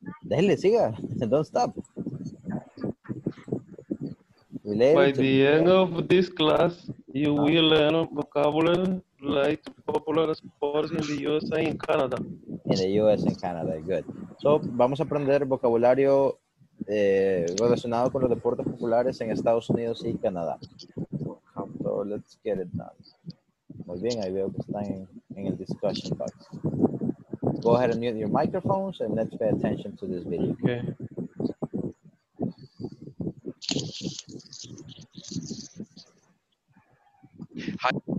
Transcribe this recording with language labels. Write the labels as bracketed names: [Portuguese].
[Spanish] Dele, siga. [English] Don't stop. By the end of this class, you will learn vocabulary like popular sports in the US and in Canada. In the US and Canada, good. [Spanish] So, vamos a aprender vocabulario relacionado con los deportes populares en Estados Unidos y Canadá. [English] So, let's get it done. [Spanish] Muy bien, ahí veo que están en el discussion box. [English] Go ahead and mute your microphones and let's pay attention to this video. Okay. Hi.